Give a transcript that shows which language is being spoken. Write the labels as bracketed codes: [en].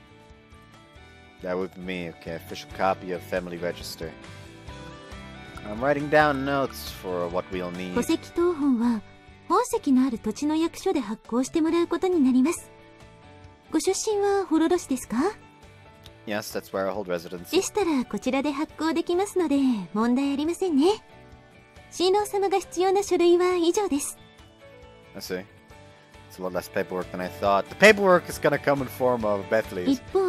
[en] would be okay, official copy of family register. I'm writing down notes for what we'll need. [ja] 戸籍謄本は本籍のある土地の役所で発行してもらうことになります。ご出身はホロロ市ですか? [en] Yes, that's where I hold residence. [ja] でしたらこちらで発行できますので問題ありませんね。新郎様が必要な書類は以上です。 [en] I see. It's a lot less paperwork than I thought. The paperwork is gonna come in form of Bethly's.